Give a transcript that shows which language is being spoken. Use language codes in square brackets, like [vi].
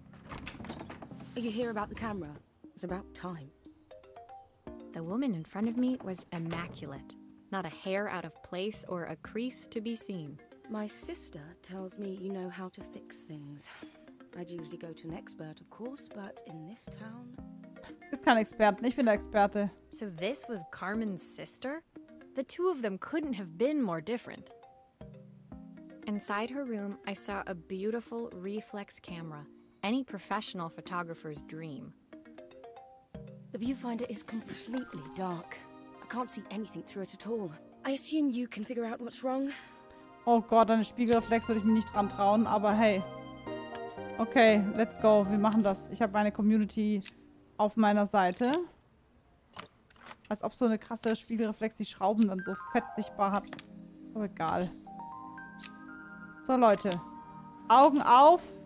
[en] Are you here about the camera? It's about time. The woman in front of me was immaculate. Not a hair out of place or a crease to be seen. My sister tells me you know how to fix things. I'd usually go to an expert, of course, but in this town... [de] Ich bin kein Experte, ich bin der Experte. [en] So this was Carmen's sister? The two of them couldn't have been more different. Inside her room, I saw a beautiful reflex camera. Any professional photographer's dream. The viewfinder is completely dark. I can't see anything through it at all. I assume you can figure out what's wrong? [de] Oh Gott, eine Spiegelreflex würde ich mir nicht dran trauen, aber hey... [en] Okay, let's go. [de] Wir machen das. Ich habe meine Community auf meiner Seite. Als ob so eine krasse Spiegelreflex die Schrauben dann so fett sichtbar hat. Aber egal. So, Leute. Augen auf.